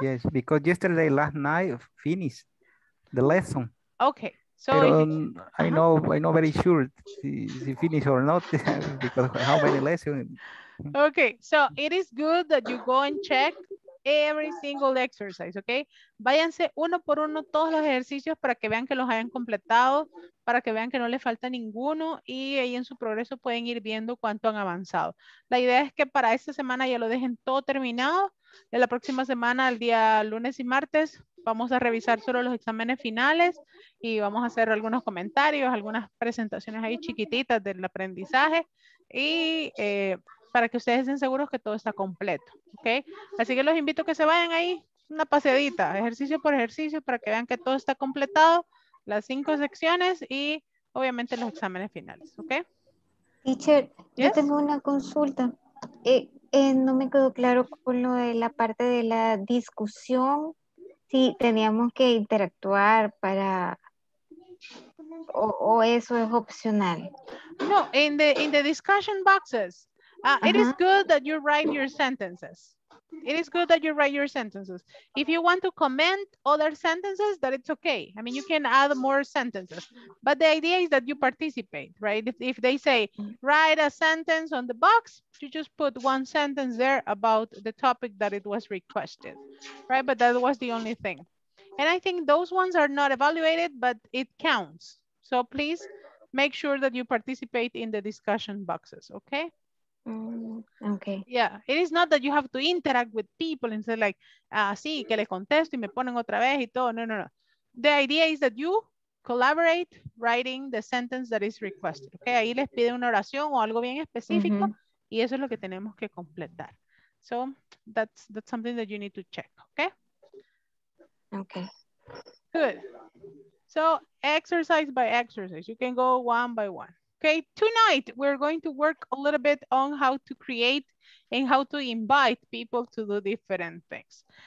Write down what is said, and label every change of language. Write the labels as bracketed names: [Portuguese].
[English] Yes, because yesterday, last night, finished the lesson. Okay. So [Spanish] pero, uh-huh. [English] I know very sure if finish or not, because how many lessons. Okay, so it is good that you go and check every single exercise, okay? [Spanish] Váyanse uno por uno todos los ejercicios para que vean que los hayan completado, para que vean que no les falta ninguno y ahí en su progreso pueden ir viendo cuánto han avanzado. La idea es que para esta semana ya lo dejen todo terminado. De la próxima semana, el día lunes y martes, vamos a revisar solo los exámenes finales y vamos a hacer algunos comentarios, algunas presentaciones ahí chiquititas del aprendizaje y para que ustedes estén seguros que todo está completo, ¿ok? Así que los invito a que se vayan ahí, una paseadita, ejercicio por ejercicio, para que vean que todo está completado, las cinco secciones y obviamente los exámenes finales, ¿ok? Teacher, ¿sí? Yo tengo una consulta. No me quedó claro con lo de la parte de la discusión, si teníamos que interactuar para... o eso es opcional. [English] No, in the discussion boxes, it is good that you write your sentences. It is good that you write your sentences. If you want to comment other sentences, that it's okay. I mean, you can add more sentences. But the idea is that you participate, right? If they say, write a sentence on the box, you just put one sentence there about the topic that it was requested, right? But that was the only thing. And I think those ones are not evaluated, but it counts. So please make sure that you participate in the discussion boxes, okay? Okay. Yeah, it is not that you have to interact with people and say like, [Spanish] sí, que le contesto y me ponen otra vez y todo. No, no, no. [English] The idea is that you collaborate writing the sentence that is requested. [Spanish] Okay, ahí les pide una oración o algo bien específico y eso es lo que tenemos que completar. [English] So that's something that you need to check. Okay. Okay. Good. So exercise by exercise, you can go one by one. Okay, tonight we're going to work a little bit on how to create and how to invite people to do different things.